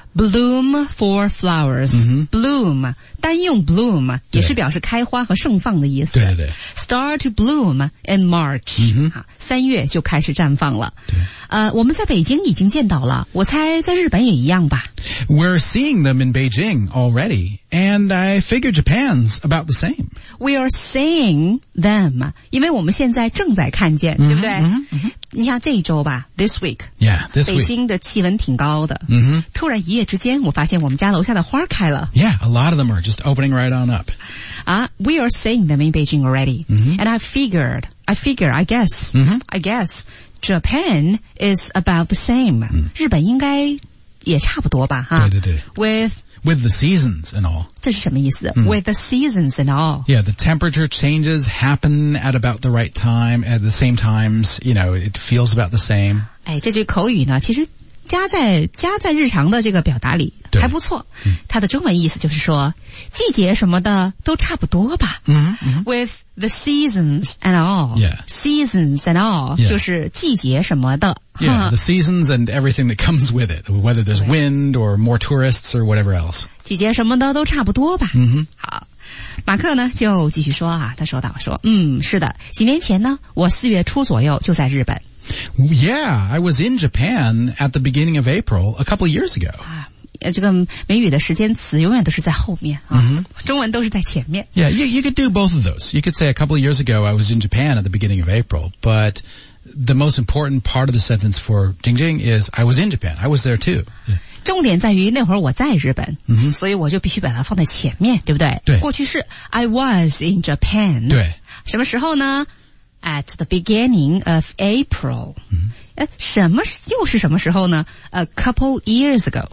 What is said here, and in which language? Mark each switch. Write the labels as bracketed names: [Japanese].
[English] Bloom for flowers.、 [Chinese] bloom. 单用 bloom 也是表示开花和盛放的意思。对对对。 [English] Start to bloom in March.、 [Chinese] 三月就开始绽放了。对。我们在北京已经见到了，我猜在日本也一样吧。 [English] We're seeing them in Beijing already, and I figure Japan's about the same. We are seeing them, [Chinese] 因为我们现在正在看见、对不对、你像这一周吧 , [English] this week, yeah, this [Chinese] 北京的气温挺高的、突然一夜之间我发现我们家楼下的花开了。 [English] Yeah, a lot of them are just opening right on up.、 we are seeing them in Beijing already,、and I guess,、I guess Japan is about the same.、 [Chinese] 日本应该也差不多吧哈。对对对。 [English] With the seasons and all. [Chinese] 这是什么意思、 [English] With the seasons and all. Yeah, the temperature changes happen at about the right time, at the same times, you know, it feels about the same. [Chinese] 哎，这句口语呢，其实加在日常的这个表达里还不错。它的中文意思就是说，季节什么的都差不多吧。 [English] With the seasons and all. Yeah. Seasons and all. Yeah. [Chinese] 就是季节什么的。 [English] Yeah, the seasons and everything that comes with it. Whether there's wind or more tourists or whatever else. [Chinese] 季节什么的都差不多吧。好。马克呢就继续说啊，他说道说，是的，几年前呢，我四月初左右就在日本。 [English] Yeah, I was in Japan at the beginning of April a couple of years ago. [Chinese] 这个美语的时间词永远都是在后面啊、 [English] mm-hmm. [Chinese] 中文都是在前面。 [English] Yeah, you could do both of those. You could say a couple of years ago I was in Japan at the beginning of April, but the most important part of the sentence for Jing Jing is I was in Japan. I was there too.、Yeah. [Chinese] 重点在于那会儿我在日本、 [English] mm-hmm. [Chinese] 所以我就必须把它放在前面对不对对 [English] 过去式 I was in Japan [Chinese] 对什么时候呢 [English] at the beginning of April、 mm-hmm. [Chinese] 什么又是什么时候呢 [English] a couple years ago